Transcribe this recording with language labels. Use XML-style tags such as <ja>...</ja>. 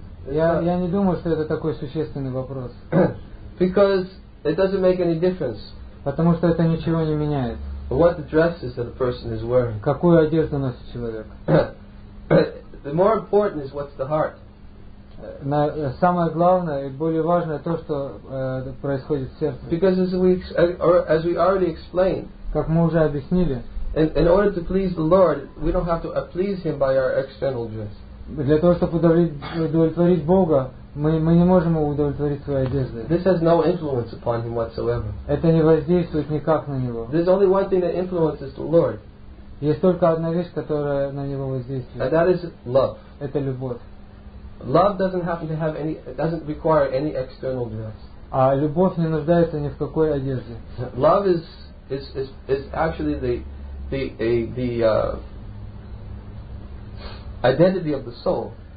<ru>Я не думаю, что это такой существенный вопрос.</ru> <en>Because it doesn't make any difference.</en> <ru>Потому что это ничего не меняет.</ru> <en>What dress is that a person is wearing?</en> <ru>Какую одежду носит человек?</ru> <en>The more important is what's the heart.</en> <ru>Самое главное и более важное то, что происходит в сердце.</ru> <en>Because as we already explained,</en> <ru>как мы уже объяснили,</ru> <en>in order to please the Lord, we don't have to please Him by our external dress.</en> <ru>Для того, чтобы удовлетворить Бога, мы не можем удовлетворить своей одеждой.</ru> <en>This has no influence upon Him whatsoever.</en> <ru>Это не воздействует никак на Него.</ru> <en>There's only one thing that influences the Lord.</en> <ru>Есть только одна вещь, которая на Него воздействует.</ru> <en>And that is love.</en> <ru>Это любовь.</ru> <en>Love doesn't happen to have any, doesn't require any external dress.</en> <ru>А любовь не нуждается ни в какой одежде.</ru> <en>Love is actually the identity of the soul.</en>